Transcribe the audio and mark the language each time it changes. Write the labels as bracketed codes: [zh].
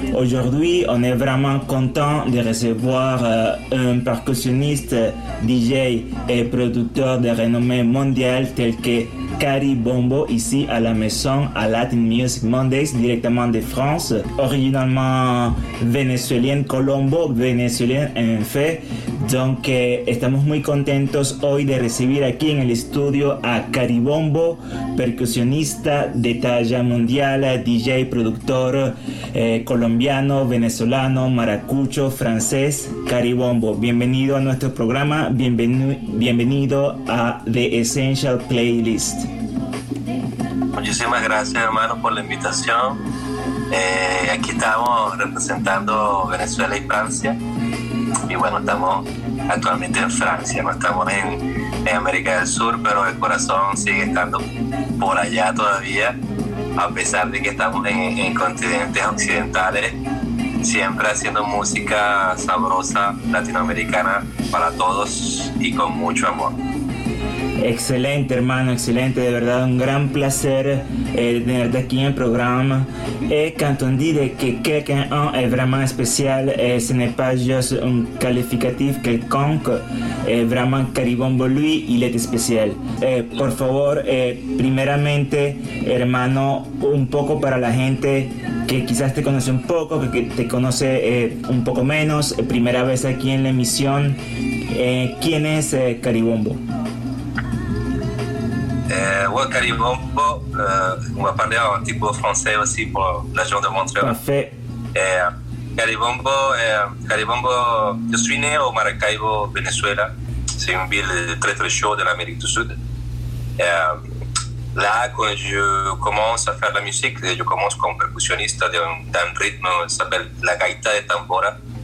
[fr] Aujourd'hui, on est vraiment content de recevoir un percussionniste, DJ et producteur de renommée mondiale tel que Caribombo ici à la maison à Latin Music Mondays directement de France, originalement vénézuélien, Colombo, vénézuélien en fait, [es] Donde estamos muy contentos hoy de recibir aquí en el estudio a Caribombo, percusionista de talla mundial, DJ, productor colombiano, venezolano, maracucho, francés. Caribombo, bienvenido a nuestro programa, bienvenido a The Essential Playlist. Muchísimas gracias, hermano, por la invitación. Aquí estamos representando Venezuela y Francia. Y bueno, estamos actualmente en Francia, no estamos en América del Sur, pero el corazón sigue estando por allá todavía, a pesar de que estamos en continentes occidentales, siempre haciendo música sabrosa latinoamericana para todos y con mucho amor. Excelente, hermano, excelente, de verdad un gran placer tenerte aquí en el programa. [fr] Et quand on dit que quelqu'un est vraiment spécial, ce n'est pas juste un qualificatif quelconque, vraiment Caribombo, lui, il est spécial. [es] Por favor, primeramente, hermano, un poco para la gente que quizás te conoce un poco, que te conoce un poco menos, primera vez aquí en la emisión, ¿quién es Caribombo? [fr] Caribombo, on va parler un petit peu français aussi pour la région de Montréal. Parfait. Caribombo, Caribombo, je suis né au Maracaibo, Venezuela. C'est une ville très très chaude de l'Amérique du Sud. Là, quand je commence à faire la musique, je commence comme percussionniste d'un rythme qui s'appelle la gaita de tambora.